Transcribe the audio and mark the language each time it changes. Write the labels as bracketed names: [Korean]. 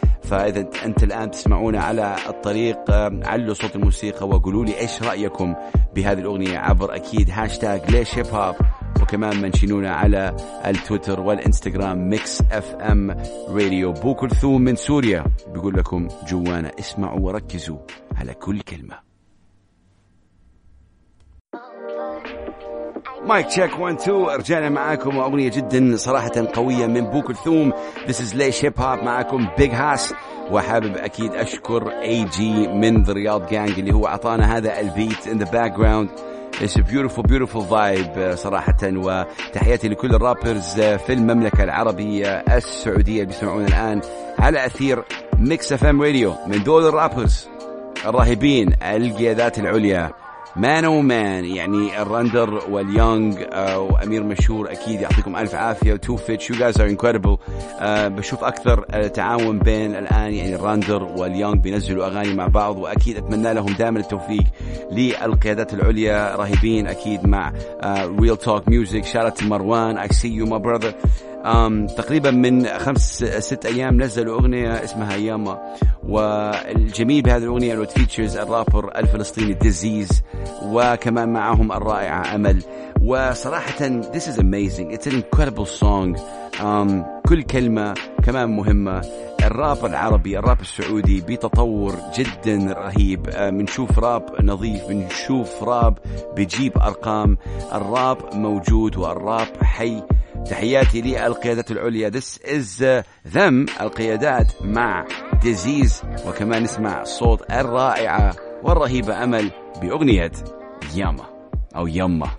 [Arabic] فإذا أنت الآن تسمعونا على الطريق، علوا صوت الموسيقى وقولوا لي إيش رأيكم بهذه الأغنية عبر أكيد هاشتاغ ليش هيب هوب، وكمان منشنونا على التويتر والإنستغرام ميكس أف أم راديو. أبو كلثوم من سوريا بيقول لكم جوانا، اسمعوا وركزوا على كل كلمة. مايك تشيك 1 2، أرجعنا معاكم وأغنية جدا صراحة قوية من أبو كلثوم. [English] This is Laish Hip Hop، [Arabic] معاكم Big Hass، وحابب أكيد أشكر AG من The Riyadh Gang اللي هو أعطانا هذا البيت [English] in the background. It's a beautiful beautiful vibe [Arabic] صراحة، وتحياتي لكل الرابرز في المملكة العربية السعودية اللي بيسمعونا الآن على أثير Mix FM Radio. من دول الرابرز الراهبين القيادات العليا، مان او مان، يعني الرندر واليونغ وامير مشهور، اكيد يعطيكم الف عافيه. تو فيتش، [English] You guys are incredible. [Arabic] بشوف اكثر التعاون بين الان يعني الرندر واليونغ بينزلوا اغاني مع بعض، واكيد اتمنى لهم دائما التوفيق. للقيادات العليا رهيبين اكيد مع ريل توك ميوزك. شارت مروان، [English] I see you my brother, [Arabic] تقريبا من 5-6 ايام نزلوا اغنيه اسمها ياما، والجميل بهذه الاغنيه انه فيتشرز الرابر الفلسطيني ديزيز، وكمان معهم الرائعه امل. وصراحه [English] this is amazing, it's an incredible song. [Arabic] كل كلمه كمان مهمه. الراب العربي، الراب السعودي بتطور جدا رهيب. بنشوف راب نظيف، بنشوف راب بيجيب ارقام، الراب موجود والراب حي. تحياتي للقيادات العليا، [English] this is them، [Arabic] القيادات مع ديزيز، وكمان نسمع صوت الرائعة والرهيبة أمل بأغنية ياما أو ياما.